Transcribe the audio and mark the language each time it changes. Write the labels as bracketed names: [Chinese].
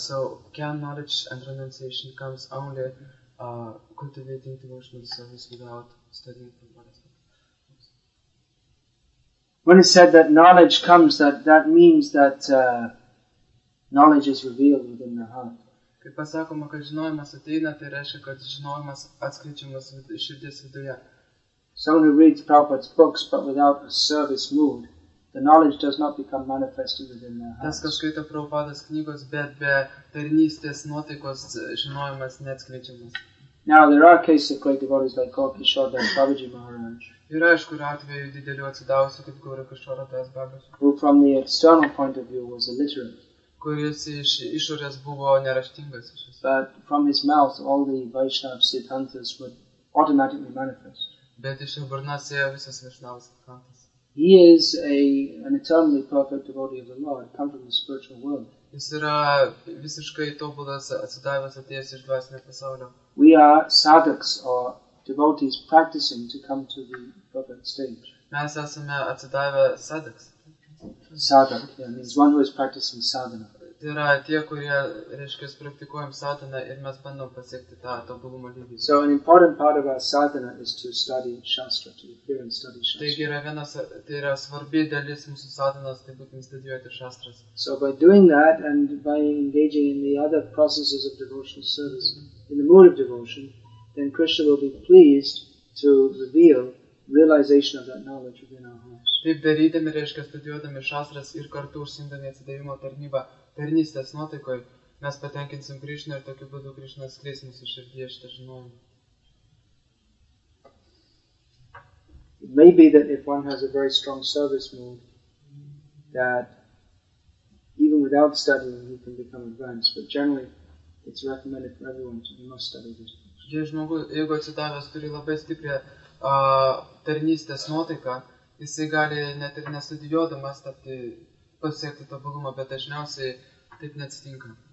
[English] So can knowledge and renunciation comes only cultivating devotional service without studying Prabhupada's books? When it said that knowledge comes, that means that knowledge is revealed within the heart. [Lithuanian] Kai pasakoma, kad žinojimas ateina, tai reiškia, kad žinojimas atskleidžiamas širdies viduje. [English] Someone who reads Prabhupada's books but without a service mood, the knowledge does not become manifested within their hearts. [Lithuanian] Tas, kas skaito Prabhupada's knygos, bet be tarnystės nuotaikos žinojimas neatskleidžiamas. [English] Now, there are cases of great devotees like Gaur Kishore Das Babaji Maharaj. [Lithuanian] Yra, aišku, atveju didelių atsidavusių, kaip Gaur Kishore Das Babaji. [English] Who, from the external point of view, was illiterate. [Lithuanian] Kuris iš išorės buvo neraštingas. [English] But from his mouth, all the Vaishnav Siddhantas would automatically manifest. [Lithuanian] Bet iš jo burnas ėjo visas Vaishnavas Siddhantas. [English] He is an eternally perfect devotee of the Lord, come from the spiritual world. [Lithuanian] Jis yra visiškai tobulas atsidavęs atėjęs iš dvasinio pasaulio. [English] We are sadhaks or devotees practicing to come to the perfect stage. [Lithuanian] Mes esame atsidavę sadhaks. [English] Sadhak, yeah, means one who is practicing sadhana. [Lithuanian] Tai yra tie, kurie, reiškia, praktikuojam sadhana ir mes bandom pasiekti tą tobulumo lygį. [English] So an important part of our sadhana is to study shastra, to appear and study shastra. [Lithuanian] Taigi yra vienas, tai yra svarbi dalis mūsų sadhanas, tai būtent studijuoti šastras. [English] So by doing that and by engaging in the other processes of devotional service, in the mood of devotion, then Krishna will be pleased to reveal realization of that knowledge within our hearts. [Lithuanian] Taip darydami, reiškia, studijuodami šastras ir kartu užsiimdami atsidavimo tarnybą, tarnystės nuotaikoj, mes patenkinsim Krišną ir tokiu būdu Krišna skleis mūsų širdyje šitą žinojimą. [English] It may be that if one has a very strong service mood, that even without studying he can become advanced, but generally it's recommended for everyone to must study this. [Lithuanian] Jeigu atsidavęs turi labai stiprią tarnystės nuotaiką, jisai gali net ir nestudijuodamas tapti pasiekti tobulumą, bet dažniausiai taip neatsitinka.